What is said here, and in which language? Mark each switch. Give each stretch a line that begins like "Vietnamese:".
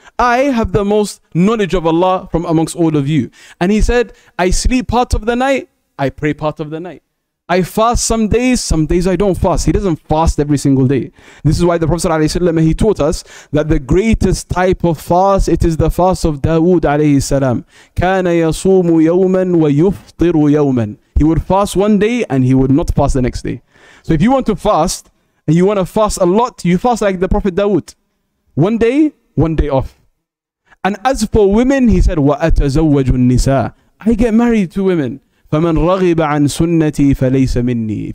English: I have the most knowledge of Allah from amongst all of you. And he said, I sleep part of the night, I pray part of the night. I fast some days I don't fast. He doesn't fast every single day. This is why the Prophet alayhi salam, he taught us that the greatest type of fast, it is the fast of Dawood alayhi salam.
Arabic: كان يصوم يوما ويفطر يوما.
English: He would fast one day and he would not fast the next day. So if you want to fast, and you want to fast a lot, you fast like the Prophet Dawood. One day off. And as for women, he said,
Arabic: وأتزوج النساء.
English: I get married to women.
Arabic: فَمَنْ رَغِبَ عَنْ سُنَّتِي فَلَيْسَ مِنِّي.